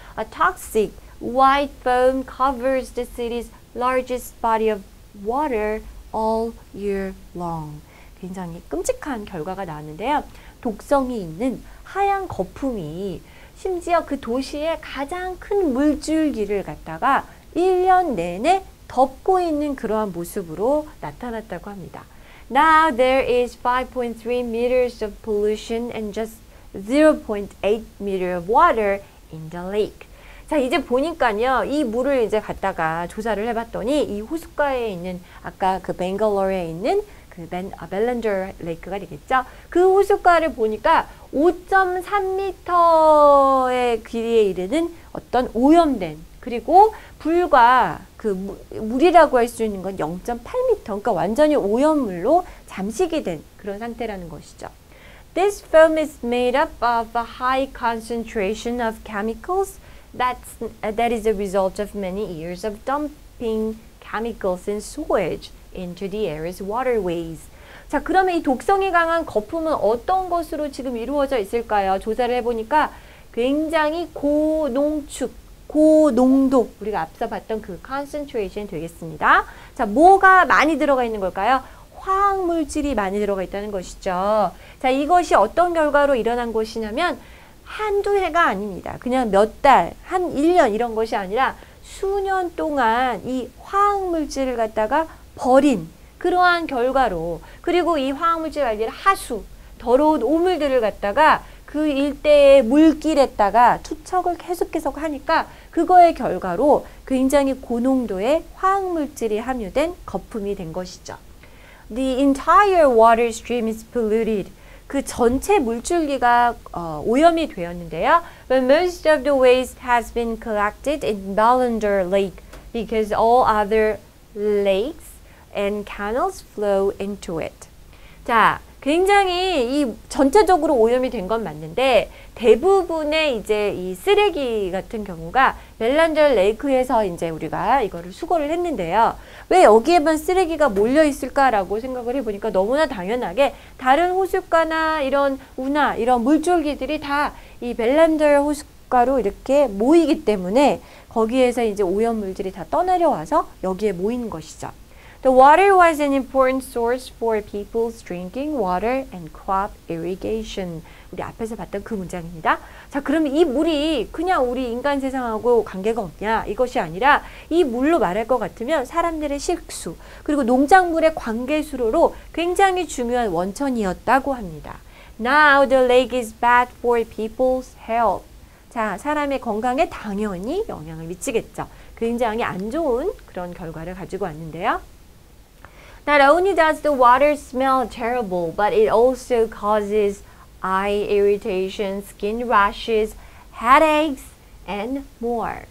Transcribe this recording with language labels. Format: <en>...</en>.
<en>A toxic white foam covers the city's largest body of water all year long.</en> <ko>굉장히 끔찍한 결과가 나왔는데요. 독성이 있는 하얀 거품이 심지어 그 도시의 가장 큰 물줄기를 갖다가 1년 내내 덮고 있는 그러한 모습으로 나타났다고 합니다.</ko> <en>Now there is 5.3 meters of pollution and just 0.8 meter of water in the lake.</en> <ko>자, 이제 보니까요. 이 물을 이제 갖다가 조사를 해봤더니 이 호숫가에 있는 아까 그 벵글로르에 있는 그 벨란더르 레이크가 되겠죠. 그 호숫가를 보니까 5.3m의 길이에 이르는 어떤 오염된 그리고 불과 그 물이라고 할 수 있는 건 0.8m 그러니까 완전히 오염물로 잠식이 된 그런 상태라는 것이죠.</ko> <en>This film is made up of a high concentration of chemicals that is a result of many years of dumping chemicals and sewage into the air's waterways.</en> <ko>자, 그러면 이 독성이 강한 거품은 어떤 것으로 지금 이루어져 있을까요? 조사를 해보니까 굉장히 고농축, 고농도 우리가 앞서 봤던 그 concentration 되겠습니다. 자, 뭐가 많이 들어가 있는 걸까요? 화학물질이 많이 들어가 있다는 것이죠. 자, 이것이 어떤 결과로 일어난 것이냐면 한두 해가 아닙니다. 그냥 몇 달, 한 1년 이런 것이 아니라 수년 동안 이 화학물질을 갖다가 버린 그러한 결과로 그리고 이 화학물질 아니라 하수 더러운 오물들을 갖다가 그 일대의 물길에다가 투척을 계속 하니까 그거의 결과로 굉장히 고농도의 화학물질이 함유된 거품이 된 것이죠.</ko> <en>The entire water stream is polluted.</en> <ko>그 전체 물줄기가 오염이 되었는데요.</ko> <en>But most of the waste has been collected in Ballander Lake because all other lakes and canals flow into it.</en> <ko>자, 굉장히 이 전체적으로 오염이 된 건 맞는데 대부분의 이제 이 쓰레기 같은 경우가 벨란더 레이크에서 이제 우리가 이거를 수거를 했는데요. 왜 여기에만 쓰레기가 몰려 있을까라고 생각을 해보니까 너무나 당연하게 다른 호숫가나 이런 운하 이런 물줄기들이 다 이 벨란더 호숫가로 이렇게 모이기 때문에 거기에서 이제 오염물들이 다 떠내려와서 여기에 모인 것이죠.</ko> <en>The water was an important source for people's drinking water and crop irrigation.</en> <ko>우리 앞에서 봤던 그 문장입니다. 자, 그러면 이 물이 그냥 우리 인간 세상하고 관계가 없냐? 이것이 아니라 이 물로 말할 것 같으면 사람들의 식수, 그리고 농작물의 관계수로로 굉장히 중요한 원천이었다고 합니다.</ko> <en>Now the lake is bad for people's health.</en> <ko>자, 사람의 건강에 당연히 영향을 미치겠죠. 굉장히 안 좋은 그런 결과를 가지고 왔는데요.</ko> <en>Not only does the water smell terrible, but it also causes eye irritation, skin rashes, headaches, and more.</en>